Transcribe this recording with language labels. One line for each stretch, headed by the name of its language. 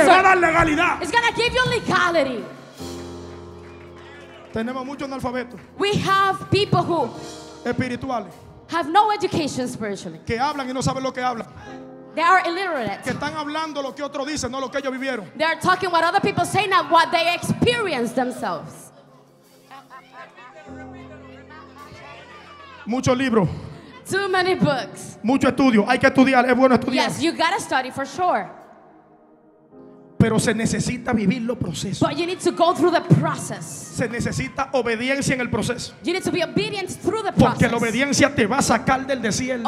Spanish: te va a dar legalidad.
English: It's gonna give you legality.
Spanish: Tenemos muchos analfabetos.
English: We have people who
Spanish: espirituales.
English: Have no education spiritually.
Spanish: Que hablan y no saben lo que hablan.
English: They are illiterate.
Spanish: Que están hablando lo que otro dice, no lo que ellos vivieron.
English: They are talking what other people say, not what they experienced themselves.
Spanish: Muchos libros.
English: Too many books.
Spanish: Mucho estudio. Hay que estudiar. Es bueno estudiar.
English: Yes, you gotta study for sure.
Spanish: Pero se necesita vivir los procesos.
English: But you need to go through the process.
Spanish: Se necesita obediencia en el proceso.
English: You need to be obedient through the process.
Spanish: Porque la obediencia te va a sacar del desierto.